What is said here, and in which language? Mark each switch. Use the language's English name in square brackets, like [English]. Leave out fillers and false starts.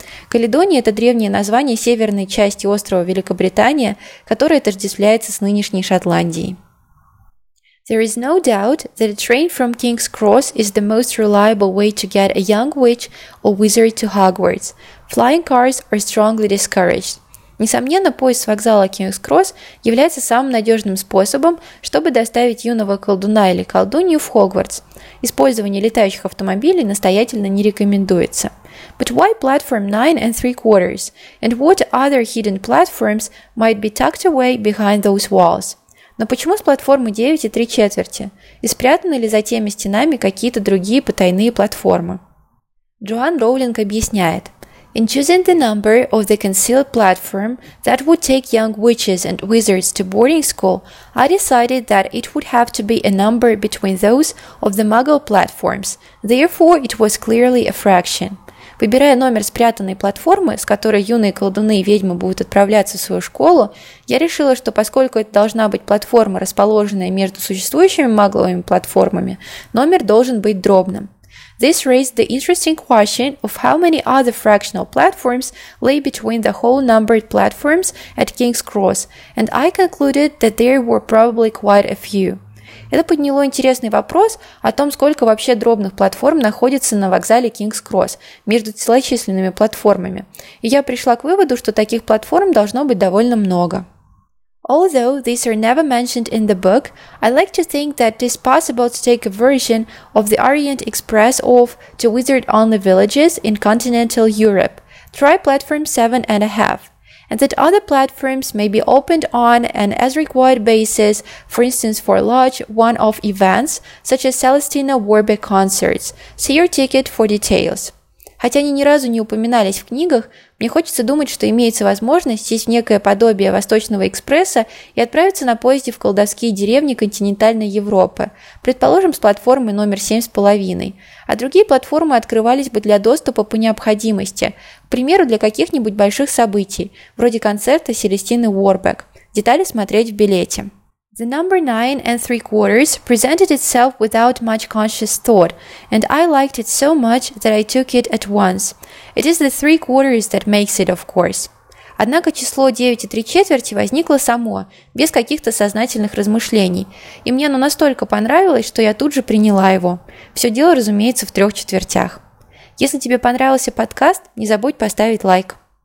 [Russian] Каледония – это древнее название северной части острова Великобритания, которое отождествляется с нынешней Шотландией. [English] There is no doubt that a train from King's Cross is the most reliable way to get a young witch or wizard to Hogwarts. Flying cars are strongly discouraged. [Russian] Несомненно, поезд с вокзала King's Cross является самым надежным способом, чтобы доставить юного колдуна или колдунью в Хогвартс. Использование летающих автомобилей настоятельно не рекомендуется. [English] But why platform 9 and 3 quarters? And what other hidden platforms might be tucked away behind those walls? [Russian] Но почему с платформы 9 и 3 четверти? И спрятаны ли за теми стенами какие-то другие потайные платформы? Джоан Роулинг объясняет. [English] In choosing the number of the concealed platform that would take young witches and wizards to boarding school, I decided that it would have to be a number between those of the muggle platforms. Therefore, it was clearly a fraction. [Russian] Выбирая номер спрятанной платформы, с которой юные колдуны и ведьмы будут отправляться в свою школу, я решила, что поскольку это должна быть платформа, расположенная между существующими магловыми платформами, номер должен быть дробным. [English] This raised the interesting question of how many other fractional platforms lay between the whole numbered platforms at King's Cross, and I concluded that there were probably quite a few. [Russian] Это подняло интересный вопрос о том, сколько вообще дробных платформ находится на вокзале King's Cross между целочисленными платформами. И я пришла к выводу, что таких платформ должно быть довольно много. [English] Although these are never mentioned in the book, I like to think that it is possible to take a version of the Orient Express off to wizard-only villages in continental Europe, try platform 7.5, and that other platforms may be opened on an as-required basis, for instance for large one-off events, such as Celestina Warby concerts. See your ticket for details. [Russian] Хотя они ни разу не упоминались в книгах, мне хочется думать, что имеется возможность сесть в некое подобие Восточного экспресса и отправиться на поезде в колдовские деревни континентальной Европы, предположим, с платформы номер 7.5. А другие платформы открывались бы для доступа по необходимости, к примеру, для каких-нибудь больших событий, вроде концерта Селестины Уорбек. Детали смотреть в билете. [English] The number 9.75 presented itself without much conscious thought, and I liked it so much that I took it at once. It is the 3/4 that makes it, of course. [Russian] Однако число 9.75 возникло само, без каких-то сознательных размышлений, и мне оно настолько понравилось, что я тут же приняла его. Все дело, разумеется, в 3/4. Если тебе понравился подкаст, не забудь поставить лайк.